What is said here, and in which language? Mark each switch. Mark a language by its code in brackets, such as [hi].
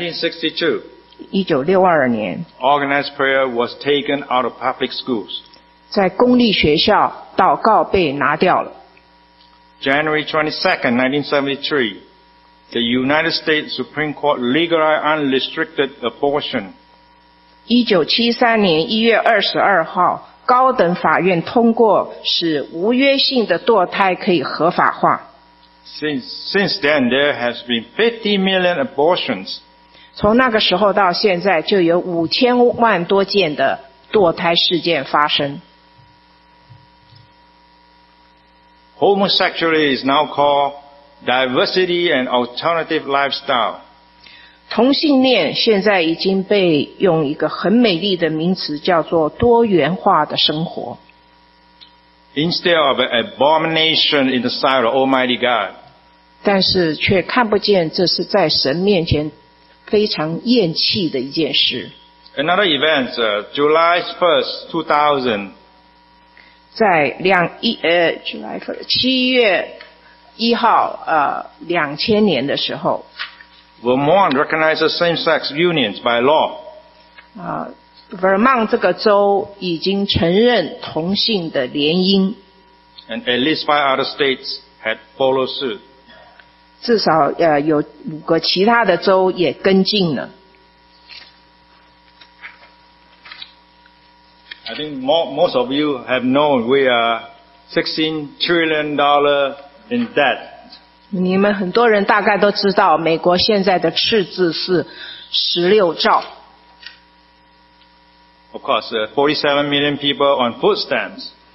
[en] 1962年 ，Organized prayer was taken out of public schools. [zh] 在公立学校，祷告被拿掉了。 [en] January 22nd, 1973, the United States Supreme Court legalized unrestricted abortion. [zh] 1973年1月22号，高等法院通过使无约性的堕胎可以合法化。 [en] Since then, there has been 50 million abortions. [zh] 从那个时候到现在，就有5000万多件的堕胎事件发生。 [en] Homosexuality is now called diversity and alternative lifestyle. [zh] 同性恋现在已经被用一个很美丽的名词叫做多元化的生活。 [en] Instead of an abomination in the sight of Almighty God. [zh] 但是却看不见这是在神面前非常厌弃的一件事。 [en] Another event, July 1st, 2000. [zh] 在7月1号2000年的时候。 [en] Vermont recognizes same-sex unions by law. [zh] Vermont 这个州已经承认同性的联姻。 [en] And at least 5 other states had followed suit. [zh] 至少有5个其他的州也跟进了。 [en] I think most of you have known we are $16 trillion in debt. [zh] 你们很多人大概都知道美国现在的赤字是16兆。 [en] Of course, 47 million people on food stamps.